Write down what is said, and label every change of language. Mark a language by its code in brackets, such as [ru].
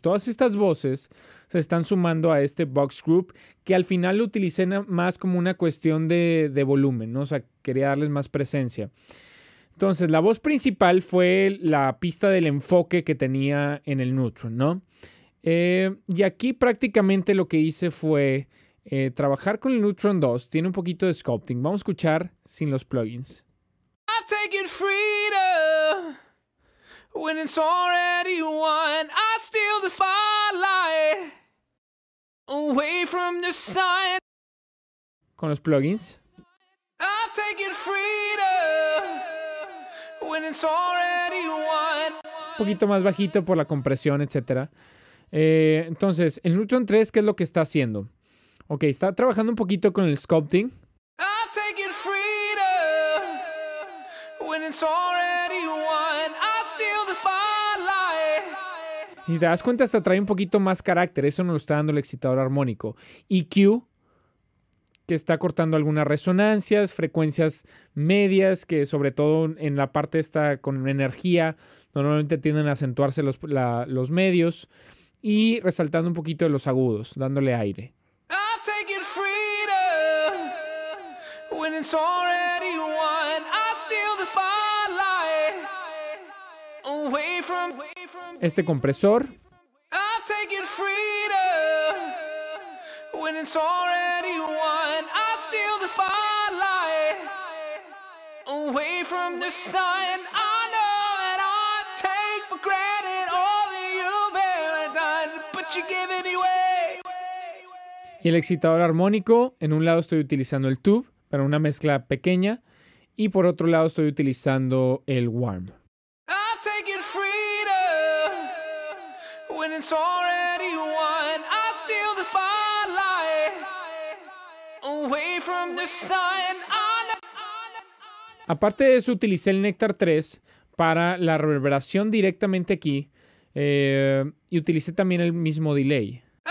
[es] Todas estas voces se están sumando a este Box Group, que al final lo utilicé más como una cuestión de volumen, ¿no? O sea, quería darles más presencia. Entonces, la voz principal fue la pista del enfoque que tenía en el Neutron, ¿no? Y aquí prácticamente lo que hice fue trabajar con el Neutron 2. Tiene un poquito de sculpting. Vamos a escuchar sin los plugins. [en] I've taken freedom when it's already won. I steal the spotlight away from the sun. [es] Con los plugins. [en] I've taken freedom when it's already won. [es] Un poquito más bajito por la compresión, etc. Entonces, el Neutron 3, ¿qué es lo que está haciendo? Ok, está trabajando un poquito con el sculpting. [en] I've taken freedom when it's already won. I steal the spotlight. [es] Y si te das cuenta, hasta trae un poquito más carácter. Eso nos lo está dando el excitador armónico. EQ, que está cortando algunas resonancias, frecuencias medias, que sobre todo en la parte esta con energía, normalmente tienden a acentuarse los medios. Y resaltando un poquito de los agudos, dándole aire. [en] I've taken freedom when it's already won. I steal the spotlight away from [es] este compresor. [en] I've taken freedom when it's already won. I steal the spotlight away from the sun. I know that I take for granted all that you've ever done, but you give anyway. [es] Y el excitador armónico, en un lado estoy utilizando el tube para una mezcla pequeña y por otro lado estoy utilizando el warm. [en] I've taken freedom when it's already won. I steal the spotlight away from the sun. [es] Aparte de eso, utilicé el Nectar 3 para la reverberación directamente aquí y utilicé también el mismo delay.